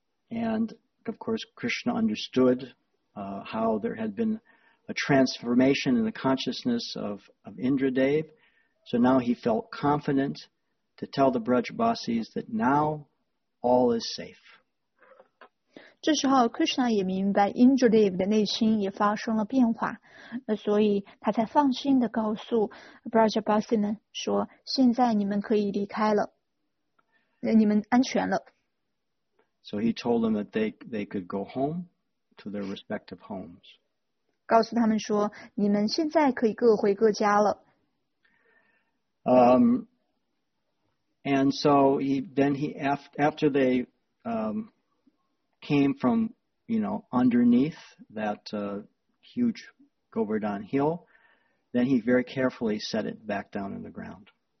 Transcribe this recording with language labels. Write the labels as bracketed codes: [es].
[en] And of course Krishna understood how there had been a transformation in the consciousness of Indradev. So now he felt confident to tell the Brajabasis that now all is safe. [zh] 这时候 Krishna 也明白 Indradev 的内心也发生了变化, 所以他才放心地告诉 Brajabasis们 说现在你们可以离开了, 你们安全了。 [en] So he told them that they could go home to their respective homes. [zh] 告诉他们说, 你们现在可以各回各家了。 [en] And so after they came from, you know, underneath that huge Govardhan hill, then he very carefully set it back down in the ground.